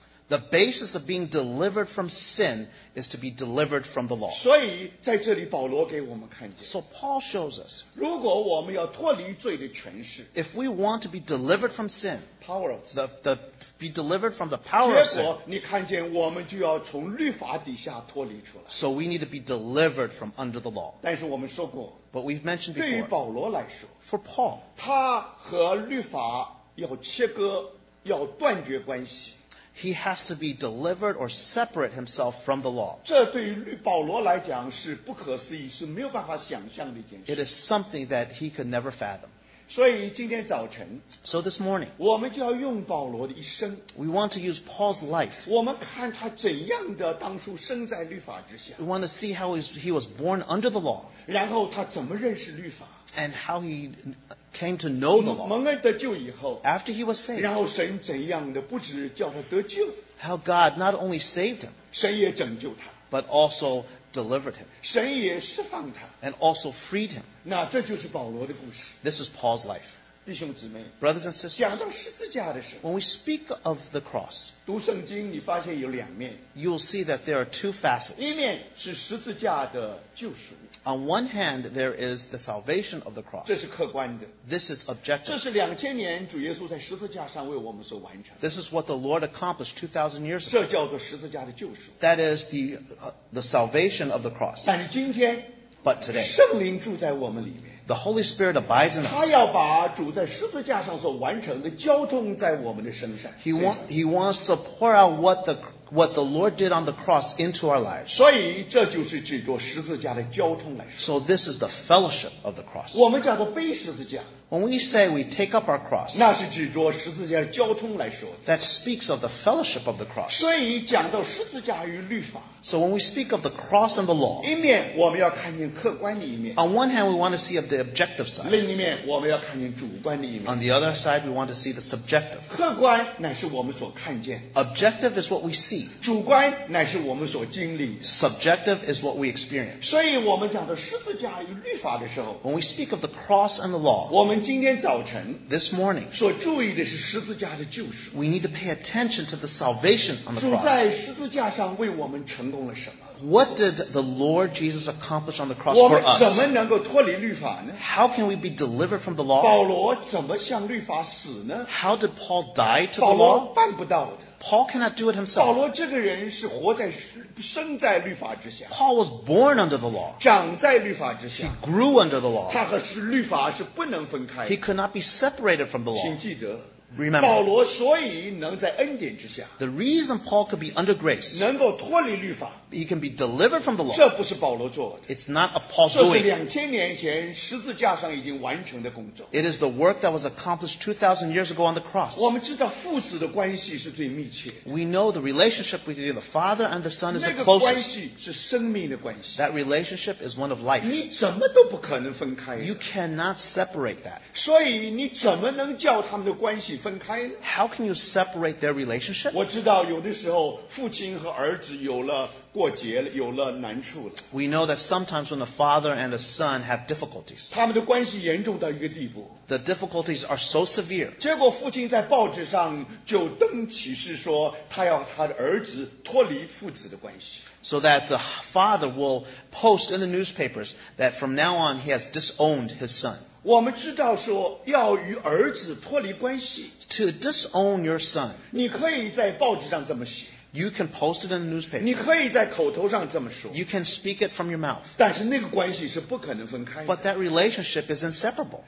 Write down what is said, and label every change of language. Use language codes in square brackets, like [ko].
[en] The basis of being delivered from sin is to be delivered from the law. [zh] 所以在这里保罗给我们看见 [en] So Paul shows us. [zh] 如果我们要脱离罪的权势 [en] If we want to be delivered from sin, power of sin. Be delivered from the power of sin. [zh] 结果你看见我们就要从律法底下脱离出来。 [en] So we need to be delivered from under the law. [zh] 但是我们说过。 [en] But we've mentioned before. [zh] 对于保罗来说。 [en] For Paul. [zh] 他和律法要切割，要断绝关系。 [en] He has to be delivered or separate himself from the law. [zh] 这对于保罗来讲是不可思议，是没有办法想象的一件事。 [en] It is something that he could never fathom. [zh] 所以今天早晨 [en] So this morning, [zh] 我们就要用保罗的一生 [en] We want to use Paul's life. [zh] 我们看他怎样的当初生在律法之下 [en] We want to see how he was born under the law. [zh] 然后他怎么认识律法 [en] and how he came to know the law. [zh] 蒙恩得救以后, [en] after he was saved, [zh] 然后神怎样的不只叫他得救, [en] how God not only saved him, [zh] 神也拯救他, [en] but also delivered him, [zh] 神也释放他, [en] and also freed him. [zh] 那这就是保罗的故事。 [en] This is Paul's life. [zh] 弟兄姊妹, [en] brothers and sisters, [zh] 讲到十字架的时候, [en] when we speak of the cross, [zh] 读圣经你发现有两面, [en] you'll see that there are two facets. [zh] 一面是十字架的救赎, [en] on one hand, there is the salvation of the cross. [zh] 这是客观的, [en] this is objective. [zh] 这是两千年主耶稣在十字架上为我们所完成, [en] this is what the Lord accomplished 2,000 years ago. [zh] 这叫做十字架的救赎, [en] that is the salvation of the cross. [zh] 但是今天, [en] but today, [zh] 圣灵住在我们里面, [en] the Holy Spirit abides in us. [zh] 他要把主在十字架上所完成的交通在我们的身上。 [en] He wants to pour out what the Lord did on the cross into our lives. [zh] 所以这就是指着十字架的交通来说。 [en] So this is the fellowship of the cross. [zh] 我们叫做背十字架。 [en] When we say we take up our cross, [zh] 那是指着十字架的交通来说。 [en] That speaks of the fellowship of the cross. [zh] 所以讲到十字架与律法。 [en] So when we speak of the cross and the law, [zh] 一面我们要看见客观的一面。 [en] On one hand, we want to see of the objective side. [zh] 另一面我们要看见主观的一面。 [en] On the other side, we want to see the subjective. [zh] 客观乃是我们所看见。 [en] Objective is what we see. [zh] 主观乃是我们所经历。 [en] Subjective is what we experience. [zh] 所以我们讲到十字架与律法的时候， [en] when we speak of the cross and the law, [zh] 我们今天早晨 [en] this morning, [zh] 所注意的是十字架的救赎。 [en] We need to pay attention to the salvation on the cross. [zh] 主在十字架上为我们成。 [en] What did the Lord Jesus accomplish on the cross for us? [zh] 我们怎么能够脱离律法呢? [en] How can we be delivered from the law? [zh] 保罗怎么向律法死呢? [en] How did Paul die to the law? [zh] 保罗办不到的。 [en] Paul cannot do it himself. [zh] 保罗这个人是活在生在律法之下。 [en] Paul was born under the law. [zh] 长在律法之下。 [en] He grew under the law. [zh] 他和律法是不能分开。 [en] He could not be separated from the law. [zh] 请记得。 [en] Remember, [zh] 保罗所以能在恩典之下, [en] the reason Paul could be under grace, [zh] 能够脱离律法, [en] he can be delivered from the law, [zh] 这不是保罗做的, [en] it's not a Paul's doing. [zh] 这是两千年前十字架上已经完成的工作, [en] it is the work that was accomplished 2,000 years ago on the cross. [zh] 我们知道父子的关系是最密切, [en] we know the relationship between the Father and the Son is the closest. [zh] 那个关系是生命的关系, [en] that relationship is one of life. [zh] 你怎么都不可能分开, [en] you cannot separate that. [zh] 所以你怎么能叫他们的关系分开呢? [en] How can you separate their relationship? [zh] 我知道有的时候父亲和儿子有了过节了，有了难处了。 [en] We know that sometimes when the father and the son have difficulties, [zh] 他们的关系严重到一个地步。 [en] The difficulties are so severe. [zh] 结果父亲在报纸上就登启事说，他要他的儿子脱离父子的关系。 [en] So that the father will post in the newspapers that from now on he has disowned his son. [zh] 我们知道说要与儿子脱离关系。 [en] To disown your son. [zh] 你可以在报纸上这么写。 [en] You can post it in the newspaper. [zh] 你可以在口头上这么说。 [en] You can speak it from your mouth. [zh] 但是那个关系是不可能分开的。 [en] But that relationship is inseparable.